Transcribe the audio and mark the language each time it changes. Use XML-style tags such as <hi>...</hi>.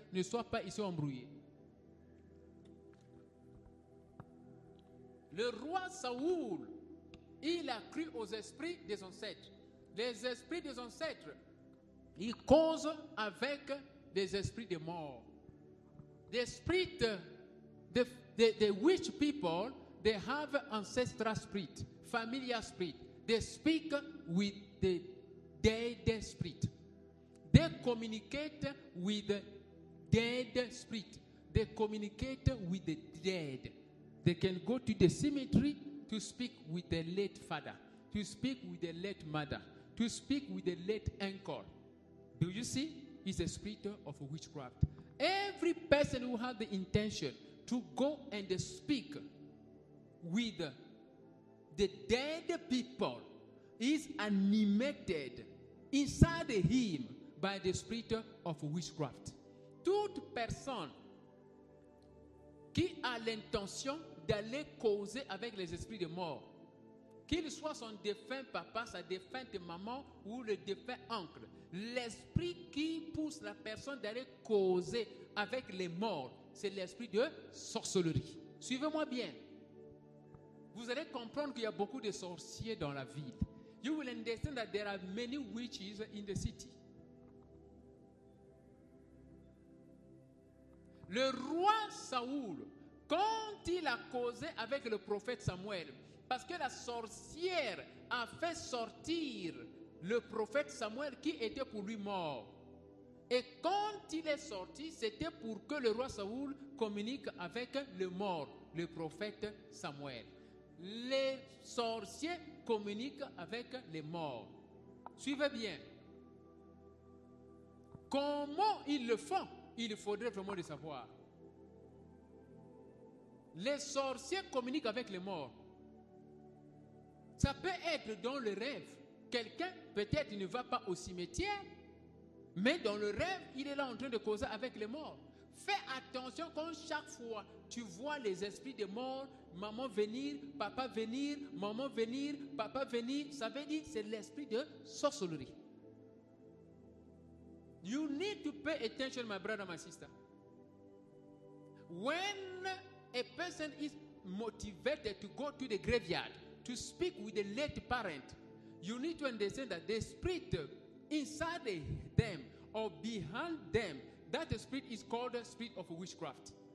<fr>Ne sois pas ici embrouillé. Le roi Saoul, il a cru aux esprits des ancêtres. Les esprits des ancêtres, ils causent avec des esprits des morts.</fr> <en>The spirit, the witch people, they have ancestral spirit, familiar spirit. They speak with the dead spirit. They communicate with the dead spirit. They communicate with the dead. They can go to the cemetery to speak with the late father, to speak with the late mother, to speak with the late uncle. Do you see? It's a spirit of witchcraft. Every person who has the intention to go and speak with the dead people is animated inside him by the spirit of witchcraft.</en> <fr>Toute personne qui a l'intention d'aller causer avec les esprits de mort, qu'il soit son défunt papa, sa défunte maman ou le défunt oncle, l'esprit qui pousse la personne d'aller causer avec les morts, c'est l'esprit de sorcellerie. Suivez-moi bien. Vous allez comprendre qu'il y a beaucoup de sorciers dans la ville.</fr> <en>You will understand that there are many witches in the city.</en> <fr>Le roi Saoul, quand il a causé avec le prophète Samuel, parce que la sorcière a fait sortir le prophète Samuel qui était pour lui mort. Et quand il est sorti, c'était pour que le roi Saoul communique avec le mort, le prophète Samuel. Les sorciers communiquent avec les morts. Suivez bien. Comment ils le font? Il faudrait vraiment le savoir. Les sorciers communiquent avec les morts. Ça peut être dans le rêve. Quelqu'un, peut-être, ne va pas au cimetière, mais dans le rêve, il est là en train de causer avec les morts. Fais attention quand chaque fois tu vois les esprits des morts, maman venir, papa venir, maman venir, papa venir, ça veut dire c'est l'esprit de sorcellerie.</fr> <en>You need to pay attention, my brother, my sister. When a person is motivated to go to the graveyard to speak with the late parent, you need to understand that the spirit inside them or behind them, that spirit is called the spirit of witchcraft.</en>